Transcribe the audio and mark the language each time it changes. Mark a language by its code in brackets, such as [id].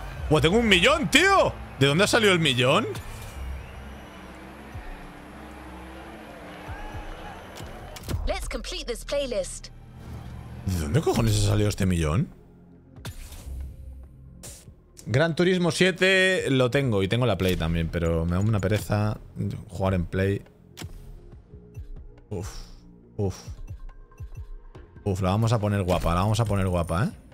[es] ¡Buah, tengo un millón, tío! ¿De dónde ha salido el millón? [en] Let's complete this playlist. [es] ¿De dónde cojones ha salido este millón? Gran Turismo 7 lo tengo y tengo la Play también, pero me da una pereza jugar en Play. Uf, uf. Uf, la vamos a poner guapa, la vamos a poner guapa, ¿eh?